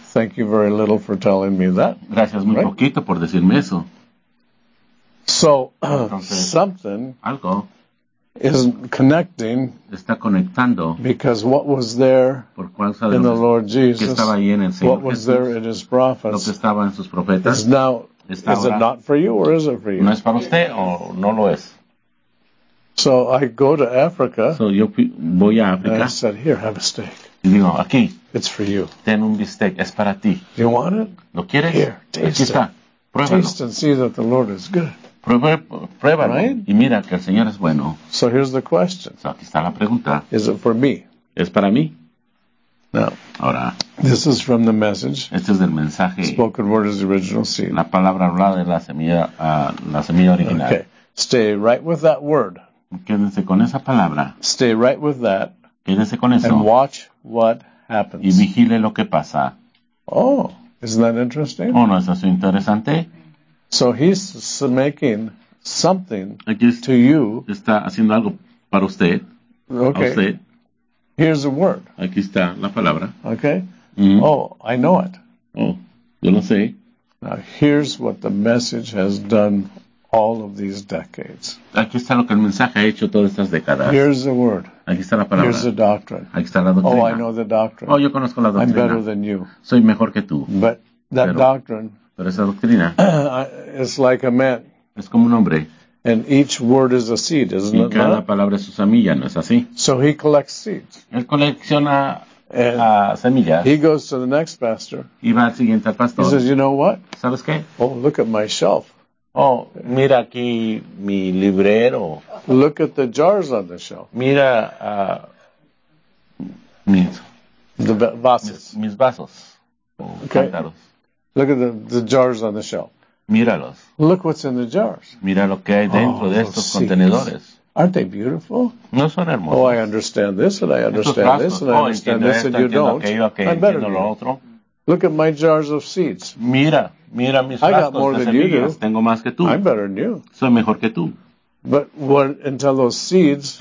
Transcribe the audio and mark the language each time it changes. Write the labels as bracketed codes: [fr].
[en] Thank you very little for telling me that. [es] Gracias muy [en] right? [es] poquito por decirme eso. [en] So, [es] entonces, [en] something [es] algo [en] is connecting, [es] está conectando, [en] because what was there [es] por causa de [en] in the Lord Jesus, [es] que estaba ahí en el Señor, [en] what [es] Jesús, [en] was there in his prophets, [es] lo que estaba en sus profetas, [en] is now, [es] está [en] is it not for you or is it for you? [es] ¿No es para usted o no lo es? [en] So I go to Africa. [es] So yo voy a Africa. [en] And I said, here, have a steak. [es] Y digo, aquí. [en] It's for you. [es] Ten un bistec, es para ti. [en] You want it? [es] ¿Lo quieres? [en] Here, taste [es] está. [en] It. [es] Pruébalo. [en] Taste and see that the Lord is good. [es] Pruébalo. [en] Right? [es] Y mira que el Señor es bueno. [en] So here's the question. [es] So aquí está la pregunta. [en] Is it for me? [es] ¿Es para mí? [en] No. [es] Ahora. [en] This is from the message. [es] Este es del mensaje. [en] Spoken word is the original seed. [es] La palabra hablada es la semilla original. [en] Okay. Stay right with that word. [es] Quédense con esa palabra. [en] Stay right with that. [es] Quédense con eso. [en] And watch what happens. [es] Y vigile lo que pasa. [en] Oh, isn't that interesting? [es] Oh, ¿no es eso interesante? [en] So he's making something to you. [es] Está haciendo algo para usted. [en] Okay. [es] A usted. [en] Here's a word. [es] Aquí está la palabra. [en] Okay. Mm-hmm. Oh, I know it. [es] Oh, yo lo sé. [en] Now here's what the message has done all of these decades. [es] Aquí está lo que el mensaje ha hecho todas estas décadas. [en] Here's the word. [es] Aquí está la palabra. [en] Here's the doctrine. [es] Aquí está la doctrina. [en] Oh, I know the doctrine. [es] Oh, yo conozco la doctrina. [en] I'm better than you. [es] Soy mejor que tú. [en] But that doctrine. [es] Pero esa doctrina. [en] It's like a man. [es] Es como un hombre. [en] And each word is a seed, isn't it? [es] Y cada palabra es su semilla, ¿no es así? [en] So he collects seeds. [es] Él colecciona semillas. [en] He goes to the next pastor. [es] Y va al siguiente pastor. [en] He says, you know what? [es] ¿Sabes qué? [en] Oh, look at my shelf. [es] Oh, mira aquí mi librero. [en] Look at the jars on the shelf. [es] Mira [en] the vases. [es] Mis vasos. Okay. Cántaros. [en] Look at the jars on the shelf. [es] Míralos. [en] Look what's in the jars. [es] Mira lo que hay dentro de estos contenedores. [en] Aren't they beautiful? [es] No son hermosos. [en] Oh, I understand this and I understand this and I understand this and you don't. Okay, I'm better than you. Look at my jars of seeds. [es] Mira mis frascos. [en] I got more than you do. [es] Tengo más que tú. [en] I'm better than you. [es] Soy mejor que tú. [en] But what, until those seeds